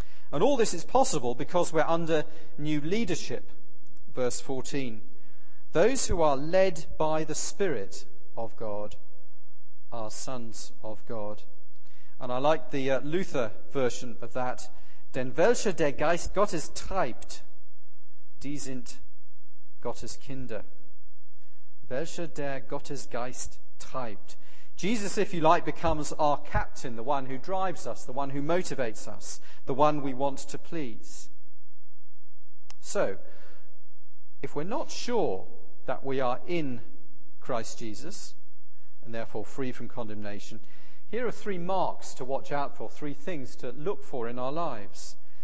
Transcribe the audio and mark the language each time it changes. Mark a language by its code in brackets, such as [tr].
[en] And all this is possible because we're under new leadership. Verse 14. Those who are led by the Spirit of God are sons of God. And I like the Luther version of that. [de] Denn welcher der Geist Gottes treibt, die sind Gottes Kinder. Welcher der Gottes Geist treibt. [en] Jesus, if you like, becomes our captain, the one who drives us, the one who motivates us, the one we want to please. So, if we're not sure that we are in Christ Jesus, and therefore free from condemnation, here are three marks to watch out for, three things to look for in our lives.